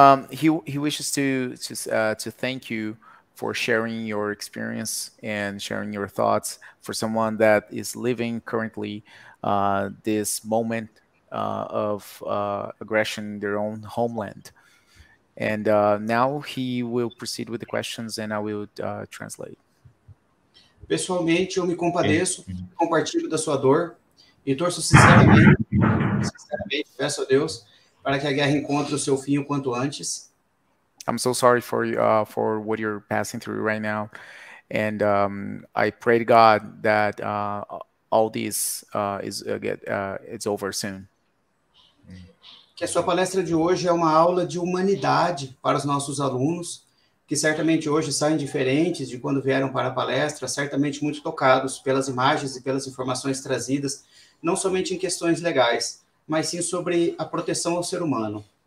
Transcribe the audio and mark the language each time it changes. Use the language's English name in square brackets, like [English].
[English] He wishes to thank you for sharing your experience and sharing your thoughts for someone that is living currently this moment of aggression in their own homeland. And now he will proceed with the questions and I will translate. [Portuguese] Pessoalmente, eu me compadeço, compartilho da sua dor e torço sinceramente, peço a Deus para que a guerra encontre o seu fim o quanto antes. [English] I'm so sorry for what you're passing through right now. And I pray to God that all this is over soon. [Portuguese] Que a sua palestra de hoje é uma aula de humanidade para os nossos alunos, que certamente hoje saem diferentes de quando vieram para a palestra, certamente muito tocados pelas imagens e pelas informações trazidas, não somente em questões legais, mas sim sobre a proteção ao ser humano.